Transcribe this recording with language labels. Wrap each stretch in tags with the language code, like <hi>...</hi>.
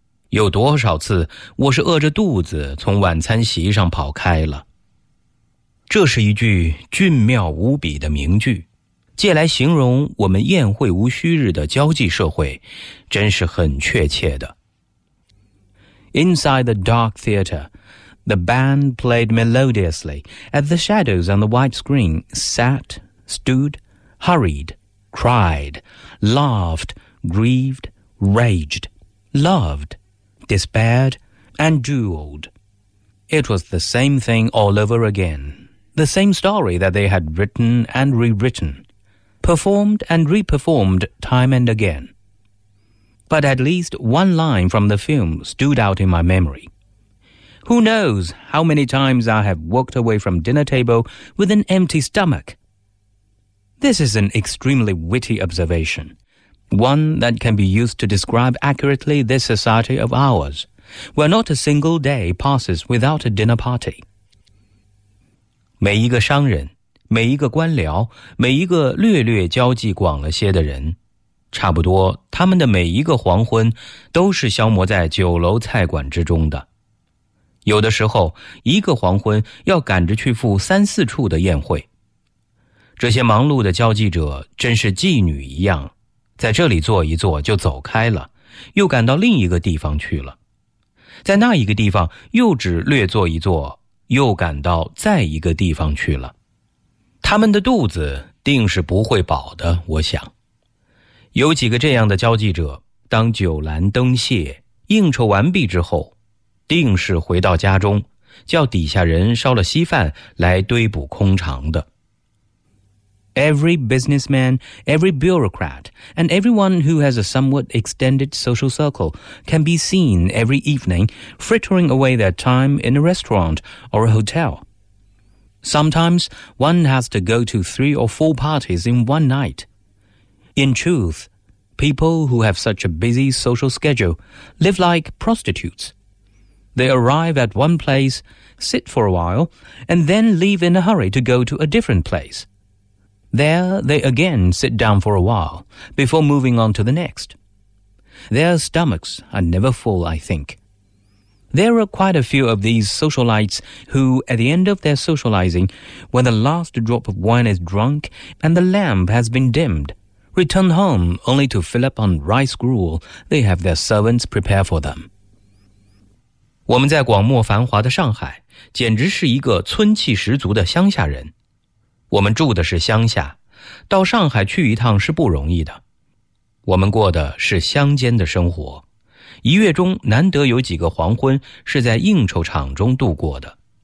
<zh>有多少次我是饿着肚子从晚餐席上跑开了。这是一句俊妙无比的名句，借来形容我们宴会无虚日的交际社会，真是很确切的。</zh> <en>Inside the dark theater, the band played melodiously as the shadows on the white screen sat, stood, hurried, cried, laughed, grieved, raged, loved, despaired, and duelled. It was the same thing all over again, the same story that they had written and rewritten, performed and reperformed time and again. But at least one line from the film stood out in my memory. Who knows how many times I have walked away from dinner table with an empty stomach? This is an extremely witty observation, one that can be used to describe accurately this society of ours, where not a single day passes without a dinner party.</en> <zh>每一个商人，每一个官僚，每一个略略交际广了些的人，差不多他们的每一个黄昏都是消磨在酒楼菜馆之中的。有的时候一个黄昏要赶着去赴三四处的宴会。这些忙碌的交际者真是妓女一样，在这里坐一坐就走开了，又赶到另一个地方去了。在那一个地方又只略坐一坐，又赶到再一个地方去了。他们的肚子定是不会饱的，我想。有几个这样的交际者，当酒阑灯谢应酬完毕之后，定是回到家中叫底下人烧了稀饭来堆补空肠的。</zh> <en>Every businessman, every bureaucrat, and everyone who has a somewhat extended social circle can be seen every evening frittering away their time in a restaurant or a hotel. Sometimes one has to go to three or four parties in one nightIn truth, people who have such a busy social schedule live like prostitutes. They arrive at one place, sit for a while, and then leave in a hurry to go to a different place. There they again sit down for a while before moving on to the next. Their stomachs are never full, I think. There are quite a few of these socialites who, at the end of their socializing, when the last drop of wine is drunk and the lamp has been dimmedReturn home only to fill up on rice gruel they have their servants prepare for them.</en> <zh>我们在广漠繁华的上海，简直是一个村气十足的乡下人。我们住的是乡下，到上海去一趟是不容易的。我们过的是乡间的生活，一月中难得有几个黄昏是在应酬场中度过的。</zh>